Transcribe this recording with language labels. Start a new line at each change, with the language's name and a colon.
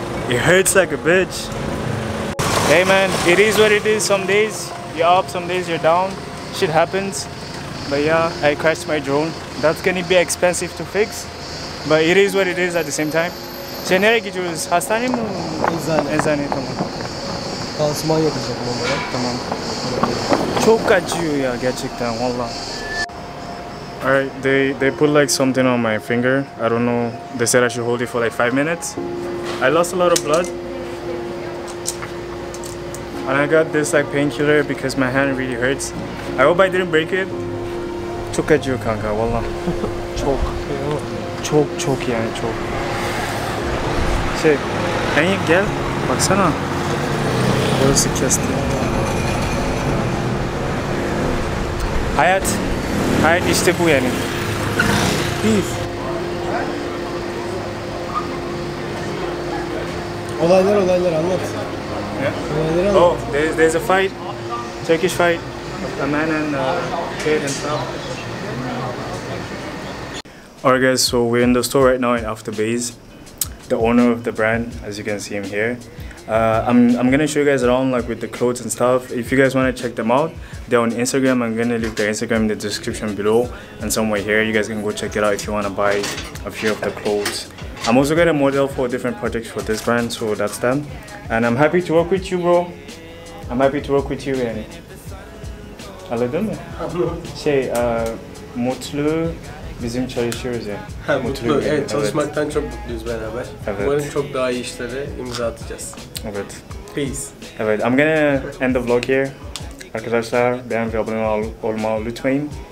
English: It hurts like a bitch. Hey man, it is what it is. Some days you're up, some days you're down. Shit happens. But yeah, I crashed my drone. That's gonna be expensive to fix. But it is what it is at the same time.
Turkish: Sen nereye gidiyoruz? Hastane mi? Eczane. Tamam. Pansuman yapacak bu olarak. Tamam. Çok acıyor ya gerçekten vallahi.
English: All right, they put like something on my finger. I don't know. They said I should hold it for like 5 minutes. I lost a lot of blood. And I got this like painkiller because my hand really hurts. I hope I didn't break it.
Turkish: Çok acıyor kanka vallahi. Çok. Çok çok yani çok. Şey, hey, gel baksana. Burası kesti. Hayat, hayat işte bu yani. Biz. Olaylar olaylar anlat.
English: Yeah.
Turkish: Olayları anlat.
English: Oh, there's a fight, Turkish fight, a man and a kid and stuff. Alright guys, so we're in the store right now in Afterbase. the owner of the brand, as you can see him here. I'm gonna show you guys around like with the clothes and stuff. If you guys want to check them out, they're on Instagram. I'm gonna leave their Instagram in the description below and somewhere here. You guys can go check it out if you want to buy a few of the clothes. I'm also gonna model for different projects for this brand, so that's them. And I'm happy to work with you, bro. I'm happy to work with you, Annie. Hello, Dunne. Hello.
Turkish: Mutlu bizim çalışıyoruz ya. Mutlu, evet, çalışmaktan çok mutluyuz beraber. Evet. Umarım çok daha iyi işlere imza atacağız. Evet.
English: Peace. Evet, I'm gonna end the vlog here.
Turkish: Arkadaşlar, beğen ve abone olmayı lütfen.